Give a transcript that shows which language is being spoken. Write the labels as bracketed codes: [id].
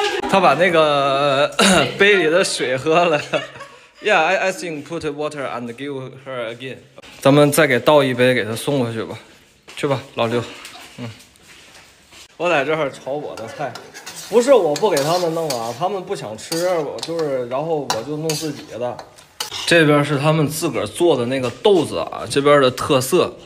[zh] 他把那个杯里的水喝了。 [en] Yeah, I think put water and give her again。 [zh] 咱们再给倒一杯，给他送回去吧。去吧，老刘。我在这儿炒我的菜，不是我不给他们弄啊，他们不想吃，我就是，然后我就弄自己的。这边是他们自个儿做的那个豆子啊，这边的特色。